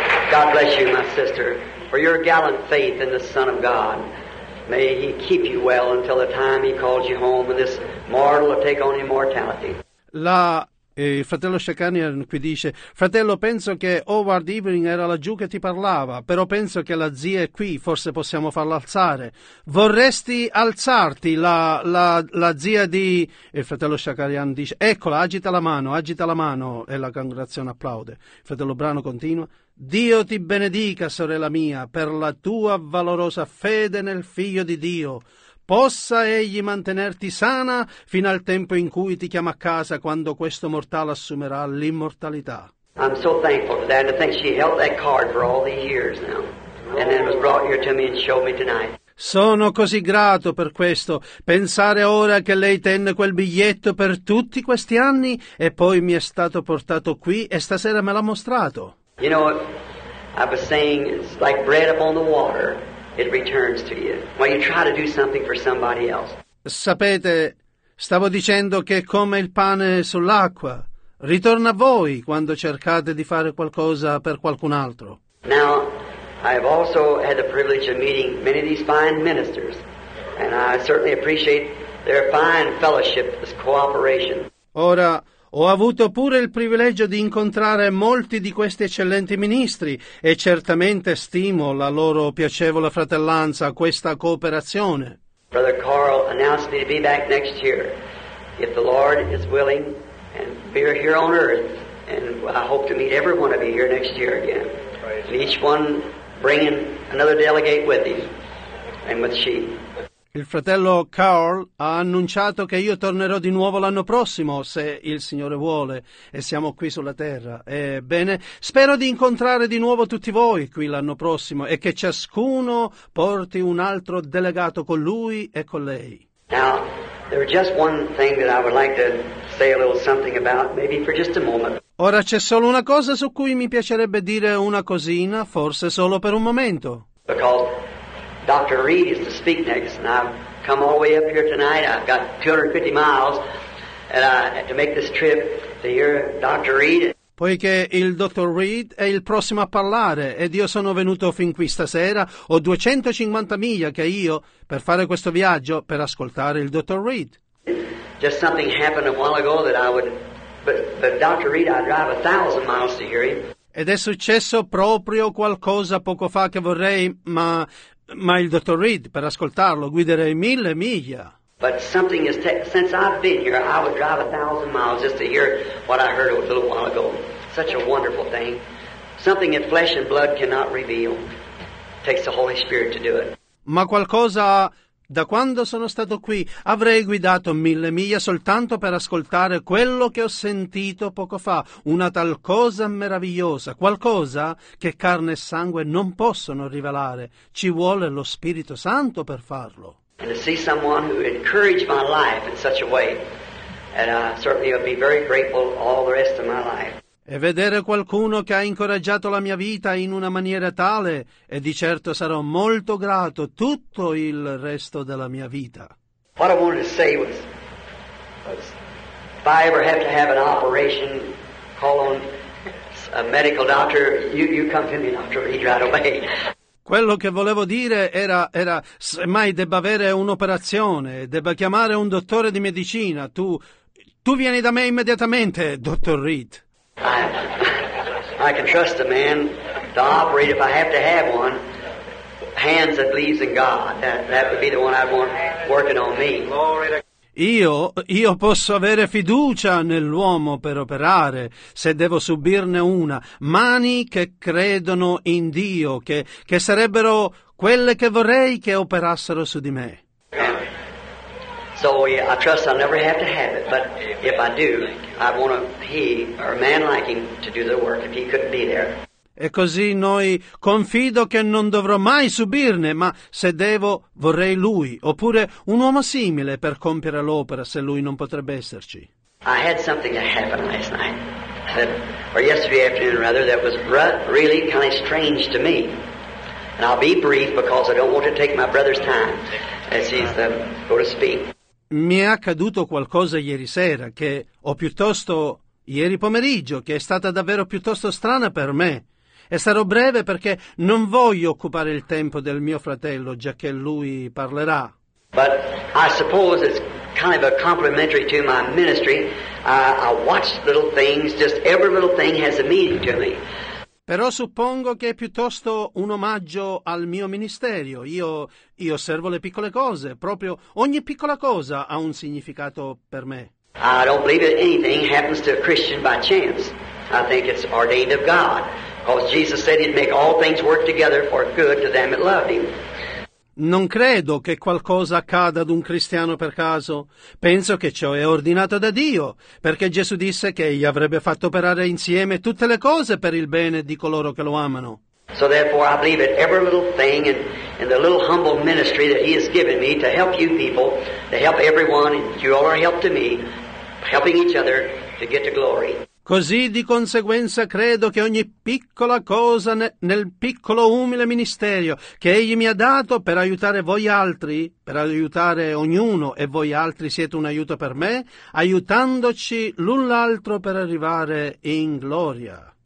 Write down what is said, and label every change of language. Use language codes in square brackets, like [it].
[en] God bless you, my sister, for your gallant faith in the Son of God. May He keep you well until the time He calls you home and this mortal will take on immortality. [it] Il fratello Shakarian qui dice: fratello, penso che Howard Irving era laggiù che ti parlava, però penso che la zia è qui, forse possiamo farla alzare. Vorresti alzarti? La zia di... Il fratello Shakarian dice: eccola, agita la mano. E la congregazione applaude. Il fratello Brano continua: Dio ti benedica, sorella mia, per la tua valorosa fede nel Figlio di Dio. Possa egli mantenerti sana fino al tempo in cui ti chiama a casa, quando questo mortale assumerà l'immortalità. [en] I'm so thankful for that, and to think she held that card for all these years now, and then was brought here to me and showed me tonight. [it] Sono così grato per questo, pensare ora che lei tenne quel biglietto per tutti questi anni e poi mi è stato portato qui e stasera me l'ha mostrato. [en] You know, I was saying, it's like bread upon the water, it returns to you. When you try to do something for somebody else. [it] Sapete, stavo dicendo che come il pane sull'acqua, ritorna a voi quando cercate di fare qualcosa per qualcun altro. [en] Now, I have also had the privilege of meeting many of these fine ministers, and I certainly appreciate their fine fellowship, this cooperation. [it] Ora, ho avuto pure il privilegio di incontrare molti di questi eccellenti ministri e certamente stimo la loro piacevole fratellanza, questa cooperazione. [en] Brother Carl announced me to be back next year, if the Lord is willing, and we are here on earth, and I hope to meet every one of you here next year again. And each one bringing another delegate with him and with she. [it] Il fratello Carl ha annunciato che io tornerò di nuovo l'anno prossimo, se il Signore vuole, e siamo qui sulla terra. Ebbene, spero di incontrare di nuovo tutti voi qui l'anno prossimo e che ciascuno porti un altro delegato con lui e con lei. [en] Now, there's just one thing that I would like to say a little something about, maybe for just a moment. [it] Ora c'è solo una cosa su cui mi piacerebbe dire una cosina, forse solo per un momento. [en] Because Dr. Reed is to speak next, and I've come all the way up here tonight. I've got 250 miles and I had to make this trip to hear Dr. Reed. [it] Poiché il dottor Reed è il prossimo a parlare ed io sono venuto fin qui stasera, ho 250 miglia che io per fare questo viaggio per ascoltare il dottor Reed. [en] Just something happened a while ago that I would, but Dr. Reed, I drive 1,000 miles to hear him. [it] Ed è successo proprio qualcosa poco fa che vorrei, ma il dottor Reed, per ascoltarlo, guiderei 1,000 miglia. [en] But something is since I've been here, I would drive 1,000 miles just to hear what I heard a little while ago. Such a wonderful thing. Something that flesh and blood cannot reveal. It takes the Holy Spirit to do it. [it] Ma qualcosa, da quando sono stato qui, avrei guidato 1,000 miglia soltanto per ascoltare quello che ho sentito poco fa. Una tal cosa meravigliosa, qualcosa che carne e sangue non possono rivelare. Ci vuole lo Spirito Santo per farlo. [en] And to see someone who encouraged my life in such a way, and I certainly would be very grateful all the rest of my life. [it] E vedere qualcuno che ha incoraggiato la mia vita in una maniera tale, e di certo sarò molto grato tutto il resto della mia vita. [en] What I wanted to say was if I ever have to have an operation, call on a medical doctor, you come to me, Dr. Reed, right away. [it] Quello che volevo dire era se mai debba avere un'operazione, debba chiamare un dottore di medicina, tu vieni da me immediatamente, dottor Reed. [en] I can trust a man to operate if I have to have one. Hands that believes in God, that would be the one I want working on me. [it] Io posso avere fiducia nell'uomo per operare, se devo subirne una. Mani che credono in Dio, che sarebbero quelle che vorrei che operassero su di me. [en] So I trust I'll never have to have it, but if I do, I want a man like him to do the work if he couldn't be there. [it] E così noi confido che non dovrò mai subirne, ma se devo vorrei lui, oppure un uomo simile per compiere l'opera se lui non potrebbe esserci. [en] I had something that happened last night, or yesterday afternoon rather, that was really kind of strange to me. And I'll be brief because I don't want to take my brother's time as he's going to speak. [it] Mi è accaduto qualcosa ieri sera che, o piuttosto ieri pomeriggio, che è stata davvero piuttosto strana per me. E sarò breve perché non voglio occupare il tempo del mio fratello, già che lui parlerà. [en] But I suppose it's kind of a complimentary to my ministry. I watch little things, just every little thing has a meaning to me. [it] Però suppongo che è piuttosto un omaggio al mio ministero. Io osservo le piccole cose, proprio ogni piccola cosa ha un significato per me. [en] I don't believe that anything happens to a Christian by chance. I think it's ordained of God. Because Jesus said he'd make all things work together for good to them that loved him. [it] Non credo che qualcosa accada ad un cristiano per caso. Penso che ciò è ordinato da Dio, perché Gesù disse che egli avrebbe fatto operare insieme tutte le cose per il bene di coloro che lo amano. [en] So therefore I believe that every little thing and the little humble ministry that he has given me to help you people, to help everyone, and you all are helped to me, helping each other to get to glory. [it] Così di conseguenza credo che ogni piccola cosa nel piccolo umile ministerio che egli mi ha dato per aiutare voi altri, per aiutare ognuno e voi altri siete un aiuto per me, aiutandoci l'un l'altro per arrivare in gloria.